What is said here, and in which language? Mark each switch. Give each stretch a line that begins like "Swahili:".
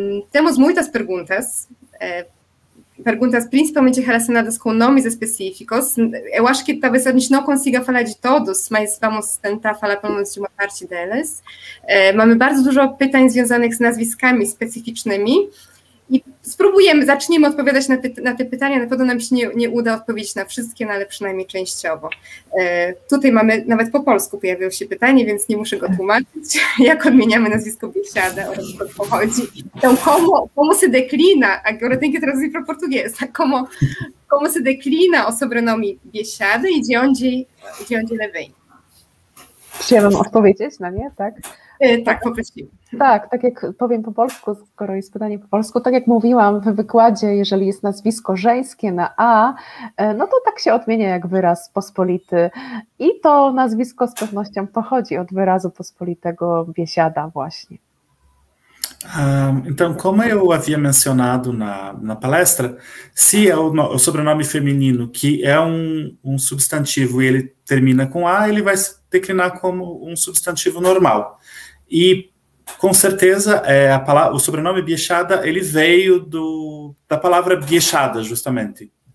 Portuguese: Temos muitas perguntas. Perguntas principalmente relacionadas com nomes específicos. Eu acho que talvez a gente não consiga falar de todos, mas vamos tentar falar pelo menos de uma parte delas.
Polish: Mamy bardzo dużo pytań związanych z nazwiskami specyficznymi i spróbujemy, zaczniemy odpowiadać na te pytania. Na pewno nam się nie uda odpowiedzieć na wszystkie, no ale przynajmniej częściowo. Tutaj mamy, nawet po polsku pojawiło się pytanie, więc nie muszę go tłumaczyć, jak odmieniamy nazwisko Biesiada oraz o co pochodzi.
Portuguese: Então, como se declina, agora tem que traduzir para português, como se declina o sobrenome Biesiada
Polish: i gdzie
Portuguese: ele vem?
Polish: Chciałam odpowiedzieć na nie, tak? Tak, poprosiłam. Tak, tak jak powiem po polsku, skoro jest pytanie po polsku, tak jak mówiłam w wykładzie, jeżeli jest nazwisko żeńskie na A, no to tak się odmienia jak wyraz pospolity i to nazwisko z pewnością pochodzi od wyrazu pospolitego Biesiada właśnie.
Portuguese: Então, como eu havia mencionado na palestra, se é o sobrenome feminino que é um substantivo e ele termina com A, ele vai se declinar como um substantivo normal. E, com certeza, o sobrenome Biesiada, ele veio da palavra Biesiada, justamente.